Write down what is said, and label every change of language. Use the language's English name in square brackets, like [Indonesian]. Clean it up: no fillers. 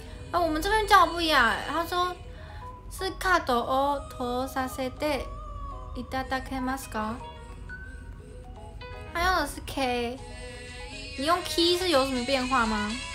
[Chinese] 啊，我们这边叫不一样哎，他说。 [Japanese] 是カードを通させていただけますか？ [Chinese] 他用的是 K， 你用 Key 是有什么变化吗？